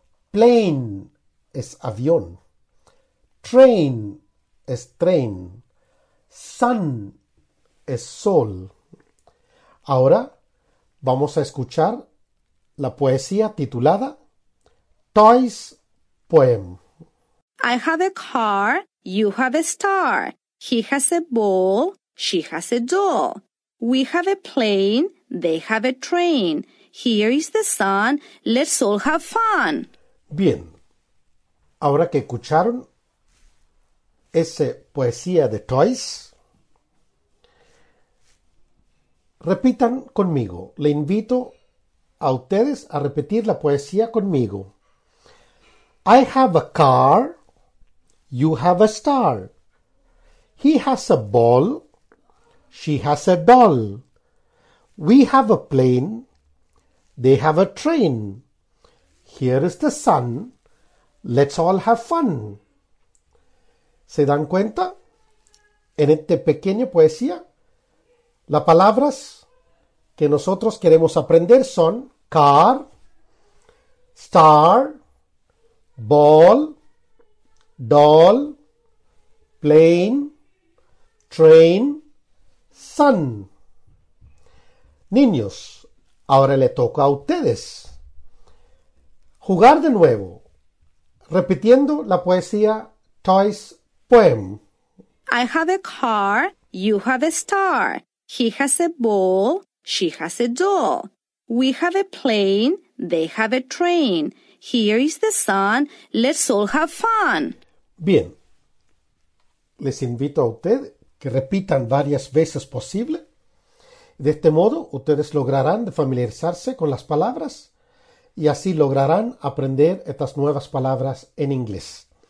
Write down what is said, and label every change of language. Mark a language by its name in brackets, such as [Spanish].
[Spanish] Plane, es avión. Train, es tren. Sun, es sol. Ahora vamos a escuchar la poesía titulada Toys Poem. [English] I have a car, you have a star. He has a ball, she has a doll. We have a plane, they have a train. Here is the sun, let's all have fun. [Spanish] Bien, ahora que escucharon esa poesía de Toys, repitan conmigo, le invito a ustedes a repetir la poesía conmigo. [English] I have a car, you have a star. He has a ball, she has a doll. We have a plane, they have a train. Here is the sun, let's all have fun. [Spanish] ¿Se dan cuenta? En esta pequeña poesía, las palabras que nosotros queremos aprender son [English] car, star, ball, doll, plane, train, sun. [Spanish] Niños, ahora le toca a ustedes jugar de nuevo. repitiendo la poesía Toy's poem. [English] I have a car, you have a star. He has a ball, she has a doll. We have a plane, they have a train. Here is the sun, let's all have fun. [Spanish] Bien, les invito a ustedes que repitan varias veces posible. De este modo, ustedes lograrán familiarizarse con las palabras y así lograrán aprender estas nuevas palabras en inglés.